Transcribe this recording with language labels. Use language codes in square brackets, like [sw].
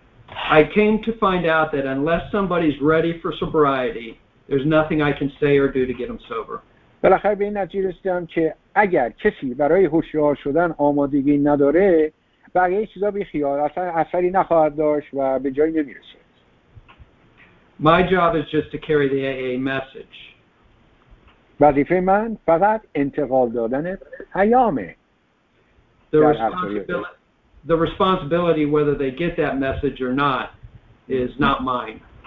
[en] I came to find out that unless somebody's ready for sobriety, there's nothing I can say or do to get them sober. [fa] بالاخره به این نتیجه رسیدم که اگر کسی برای هوشیار شدن آمادگی نداره، بقیه چیزا بی خیال، اصلا اثری نخواهد داشت و به جایی نمی‌رسد. [en] My job is just to carry the AA message. [fa] وظیفه من فقط انتقال دادن پیامه. [en] The responsibility whether they get that message or not is not mine.